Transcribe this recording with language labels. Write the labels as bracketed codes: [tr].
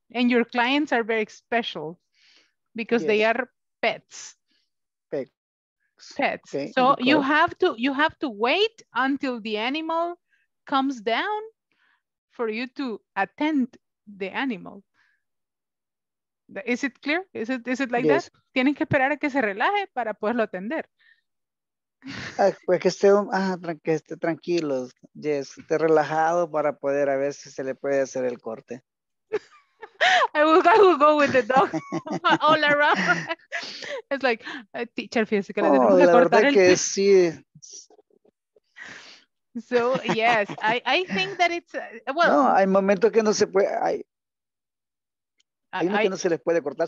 [en] And your clients are very special because they are pets. Pets. Okay. So you have to wait until the animal comes down for you to attend the animal. Is it clear? Is it like that? [es] Tienen que esperar a que se relaje para poderlo atender. que esté tranquilo. Yes, esté relajado para poder a ver si se le puede hacer el corte. [en] I will go with the dog all around. It's like a teacher feels like So yes, I think that it's well. [es] No, hay momentos que no se puede. Hay unos que no se les puede cortar.